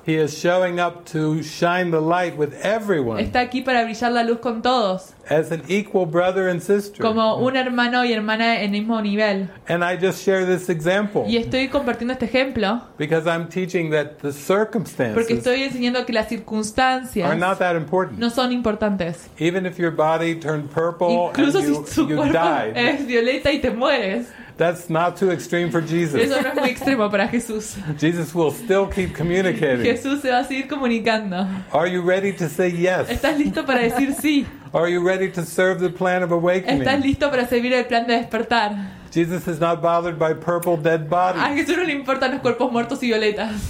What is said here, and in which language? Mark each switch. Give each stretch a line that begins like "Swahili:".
English: He is showing up to shine the light with everyone.
Spanish: Está aquí para brillar la luz con todos.
English: As an equal brother and sister.
Spanish: Como un hermano y hermana en el mismo nivel.
English: And I just share this example.
Spanish: Y estoy compartiendo este ejemplo.
English: Because I'm teaching that the circumstances.
Spanish: Porque estoy enseñando que las circunstancias.
English: Are not that important.
Spanish: No son importantes.
English: Even if your body turned purple
Spanish: incluso
English: and you died.
Spanish: Es violeta y te mueres.
English: That's not too extreme for Jesus.
Spanish: Eso no es muy extremo para Jesús.
English: Jesus will still keep communicating.
Spanish: Jesús se va a seguir comunicando.
English: Are you ready to say yes?
Spanish: ¿Estás listo para decir sí?
English: Are you ready to serve the plan of awakening?
Spanish: ¿Estás listo para servir el plan de despertar?
English: Jesus is not bothered by purple dead bodies.
Spanish: A Jesús no le importan los cuerpos muertos y violetas.